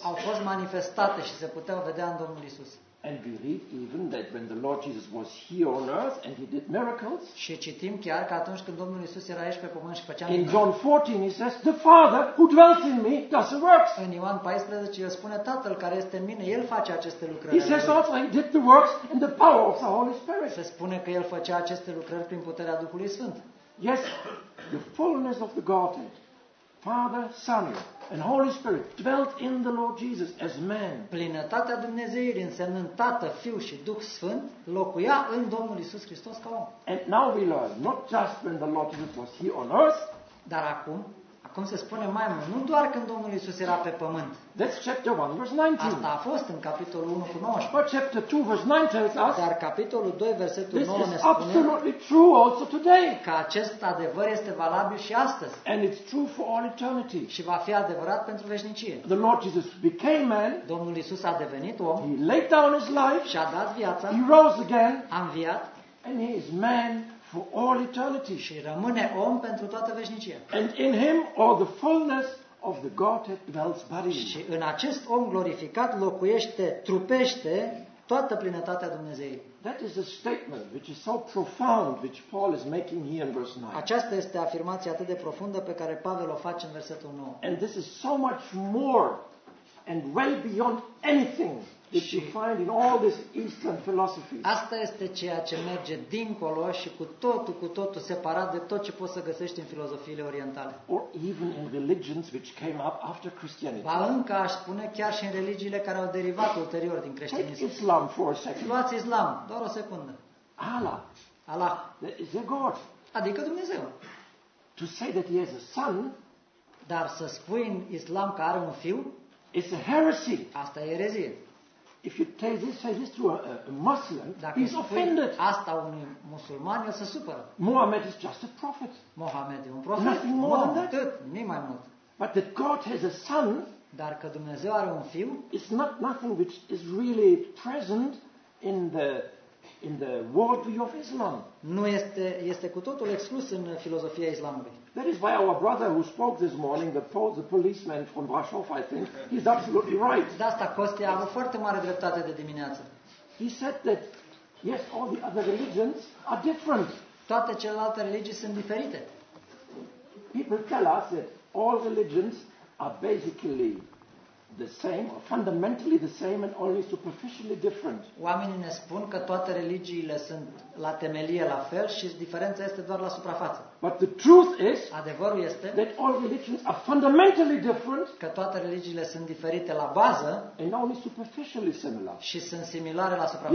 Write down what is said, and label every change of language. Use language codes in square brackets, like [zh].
[ro] Au fost manifestate și se puteau vedea în Domnul Iisus. [en] And we read even that when the Lord Jesus was here on earth and he did miracles. [ro] Și citim chiar că atunci când Domnul Iisus era aici pe pământ și făcea miracole. [en] In John 14 he says, the Father who dwells in me does the works. [ro] În Ioan 14 el spune, Tatăl care este în mine, el face aceste lucrări. [en] He says also he did the works in the power of the Holy Spirit. [ro] Se spune că el făcea aceste lucrări prin puterea Duhului Sfânt. [en] Yes, the fullness of the Godhead, Father, Son, and Holy Spirit dwelt in the Lord Jesus as man. [ro] Plinătatea Dumnezeirii, însemnând Tată, Fiul și Duh Sfânt, locuia în Domnul Iisus Hristos ca om. [en] And now we learn, not just when the Lord Jesus was here on earth, [ro] dar acum cum se spune mai mult, nu doar când Domnul Iisus era pe pământ. [en] That's chapter 1 verse 19. [ro] Asta a fost în capitolul 1 cu 19. [en] But chapter 2 verse 9 tells us. [ro] Dar capitolul 2 versetul 9 ne spune. [en] This is absolutely true also today. [ro] Că acest adevăr este valabil și astăzi. [en] And it's true for all eternity. [ro] Și va fi adevărat pentru veșnicie. [en] The Lord Jesus became man. [ro] Domnul Iisus a devenit om. [en] He laid down his life. [ro] Și a dat viața. [en] He rose again. [ro] A înviat. [en] And he is man for all eternity. [ro] Și rămâne om pentru toată veșnicia. [en] And in him all the fullness of the Godhead dwells bodily. [ro] Și în acest om glorificat locuiește, trupește toată plinătatea Dumnezeului. [en] That is a statement which is so profound which Paul is making here in verse 9. [ro] Aceasta este afirmația atât de profundă pe care Pavel o face în versetul 9. [en] And this is so much more and way beyond anything that you find in all this Eastern philosophy. [ro] Asta este ceea ce merge dincolo și cu totul separat de tot ce poți să găsești în filozofiile orientale. [en] Or even in religions which came up after Christianity. [ro] Ba încă aș spune chiar și în religiile care au derivat ulterior din creștinism. [en] Take Islam for a second. [ro] Luați Islam, doar o secundă. [en] Allah. There is a God. [ro] Adică Dumnezeu. [en] To say that he has a son. [ro] Dar să spui în Islam că are un fiu. [en] It's a heresy. [ro] Asta e erezie. [en] If you say this to a Muslim, [ro] dacă [en] he's offended. [ro] Asta unui musulman, el se supără. [en] Muhammad is just a prophet. [ro] Muhammad e un profet. [en] Nothing more than that. [ro] Nimic mai mult. [en] But that God has a son. [ro] Dar că Dumnezeu are un fiu. [en] It's not nothing which is really present in the worldview of Islam. [ro] Nu este cu totul exclus în filozofia islamului. [en] That is why our brother who spoke this morning, the policeman from Brasov, I think, he's absolutely right. [ro] De asta Costea a avut foarte mare dreptate de dimineață. [en] He said that yes, all the other religions are different. [ro] Toate celelalte religii sunt diferite. [en] People tell us that all religions are basically the same or fundamentally the same and only superficially different. [ro] Oamenii ne spun că toate religiile sunt la temelie la fel și diferența este doar la suprafață. [en] But the truth is, [ro] adevărul este, [en] that all religions are fundamentally different, [ro] că toate religiile sunt diferite la bază, [en] and only superficially similar. [ro] Și sunt similare la suprafață.